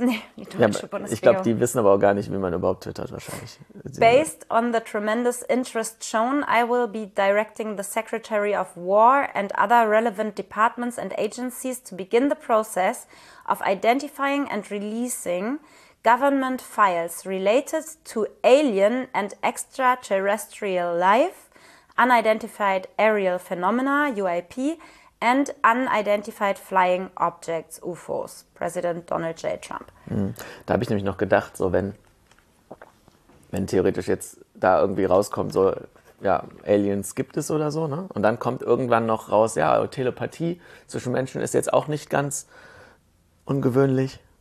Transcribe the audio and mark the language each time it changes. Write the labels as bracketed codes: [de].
[de] Nee, die deutsche Bundesregierung. Ich glaube, die wissen aber auch gar nicht, wie man überhaupt twittert wahrscheinlich. [en] Based on the tremendous interest shown, I will be directing the Secretary of War and other relevant departments and agencies to begin the process of identifying and releasing government files related to alien and extraterrestrial life, unidentified aerial phenomena, UAP, and unidentified flying objects, UFOs, President Donald J. Trump. [de] Da habe ich nämlich noch gedacht, so wenn theoretisch jetzt da irgendwie rauskommt, so, ja, Aliens gibt es oder so, ne? Und dann kommt irgendwann noch raus, ja, Telepathie zwischen Menschen ist jetzt auch nicht ganz ungewöhnlich.